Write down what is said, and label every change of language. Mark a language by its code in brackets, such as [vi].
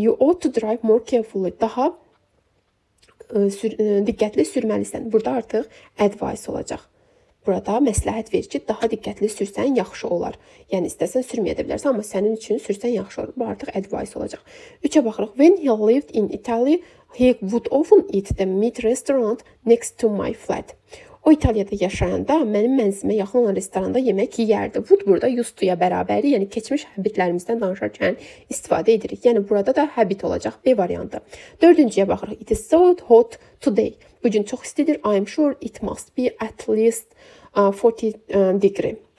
[en] You ought to drive more carefully. [az] Daha diqqətli sürməlisən. Burada artıq advice olacaq. Burada məsləhət verir ki, daha diqqətli sürsən yaxşı olar. Yəni, istəsən sürməyə də bilərsən, amma sənin üçün sürsən yaxşı olar. Bu artıq advice olacaq. Üçə baxırıq. [en] When he lived in Italy, he would often eat the meat restaurant next to my flat. [az] O, İtaliyada yaşayanda mənim mənzimə yaxın olan restoranda yemək yerdi. Would burada used to-ya bərabəri, yəni keçmiş habitlərimizdən danışarkən istifadə edirik. Yəni, burada da habit olacaq B variantı. Dördüncüyə baxırıq. [en] It is so hot today. [az] Bugün çox istidir. [en] I am sure it must be at least 40 degree.